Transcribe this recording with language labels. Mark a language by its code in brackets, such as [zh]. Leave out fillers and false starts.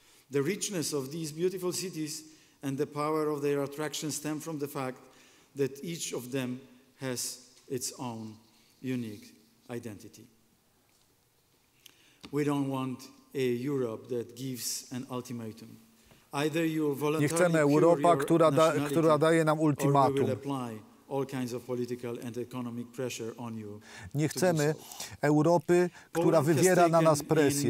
[en] The richness of these beautiful cities and the power of their attraction stem from the fact that each of them has its own unique identity. We don't want a Europe that gives an ultimatum. Either you voluntarily [pl] nie chcemy Europa, która daje nam ultimatum. [en] Or we will apply all kinds of political and economic pressure on you. [pl] Nie chcemy Europy, która wywiera na nas presję.